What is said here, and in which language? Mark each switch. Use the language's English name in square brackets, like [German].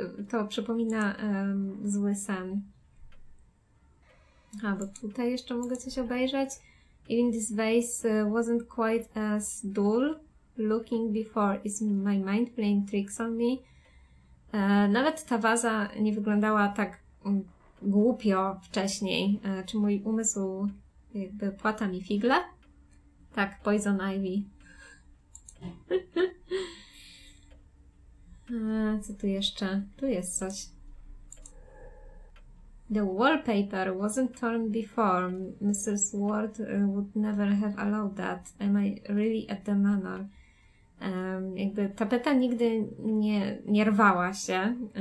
[Polish] To przypomina zły sen. A, bo tutaj jeszcze mogę coś obejrzeć. [English] Even this vase wasn't quite as dull looking before. Is my mind playing tricks on me? [Polish] Nawet ta waza nie wyglądała tak głupio wcześniej. Czy mój umysł jakby płata mi figle? Tak, poison ivy. co tu jeszcze? Tu jest coś. [English] The wallpaper wasn't torn before. Mrs. Ward would never have allowed that. Am I really at the manor? [Polish] Jakby tapeta nigdy nie rwała się.